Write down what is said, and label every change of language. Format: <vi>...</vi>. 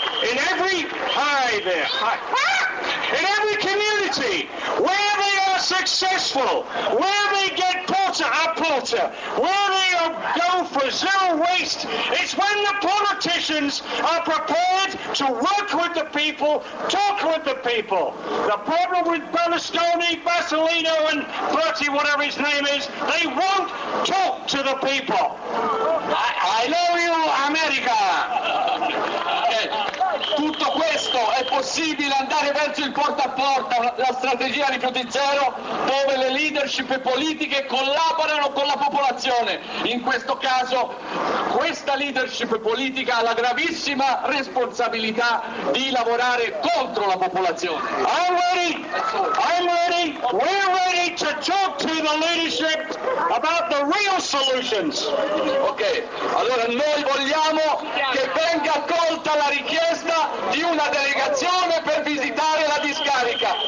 <en>In every in every community where they are successful, where they get porter, where they go for zero waste, it's when the politicians are prepared to work with the people, talk with the people. The problem with Berlusconi, Bassolino and Bertie, whatever his name is, they won't talk to the people. I love you, America.</en> <it>Tutto questo è possibile andare verso il porta a porta, la strategia rifiuti zero, dove le leadership politiche collaborano con la popolazione. In questo caso questa leadership politica ha la gravissima responsabilità di lavorare contro la popolazione.</it> <en>I'm ready, we're ready to talk to the leadership about the real solutions.</en> <it>Ok, allora noi vogliamo che venga accolta la richiesta di una delegazione per visitare la discarica.</it>